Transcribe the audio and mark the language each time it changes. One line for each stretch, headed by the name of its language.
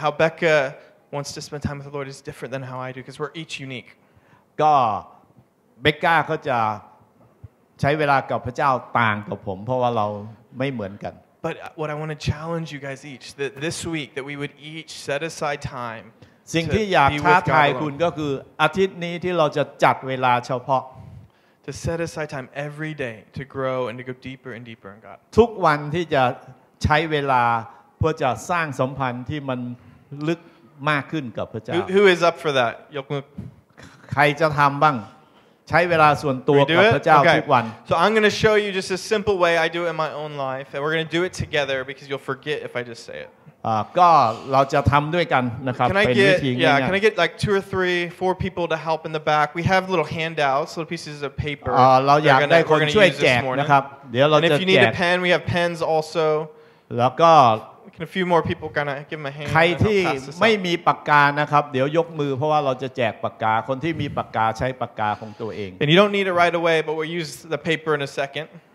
English: How Becca wants to spend time with the Lord is different than how I do because we're each unique.
Thai: ก็เบกก้าก็จะใช้เวลากับพระเจ้าต่างกับผมเพราะว่าเราไม่เหมือนกัน
English: But what I want to challenge you guys each that this week that we would each set aside time.
Thai: สิ่งที่อยากท้าทายคุณก็คืออาทิตย์นี้ที่เราจะจัดเวลาเฉพาะ
English: to set aside time every day to grow and to go deeper and deeper in God.
Thai: ทุกวันที่จะใช้เวลาเพื่อจะสร้างสัมพันธ์ที่มันลึกมากขึ้นกับพระเจ้า
English: Who is up for that?
Thai: ยกมือ ใครจะทำบ้างใช้เวลาส่วนตัวกับพระเจ้าทุกวัน
English: So I'm going to show you just a simple way I do it in my own life and we're going to do it together because you'll forget if I just say it.
Thai: ก็เราจะทําด้วยกันนะครับเป็นวิธีง่ายๆ
English: Yeah, can I get like 2 or 3 4 people to help in the back? We have little handouts, little pieces of paper.
Thai: เราอยากได้คนช่วยแจกนะครับเดี๋ยวเราจะแจก
English: And if you need a pen, we have pens also.
Thai: แล้วก็
English: Can a few more people gonna give them a hand?
Thai: ใครที่ไม่มีปากกานะครับเดี๋ยวยกมือเพราะว่าเราจะแจกปากกาคนที่มีปากกาใช้ปากกาของตัวเอง
English: And you don't need it right away, but we'll use the paper in a second.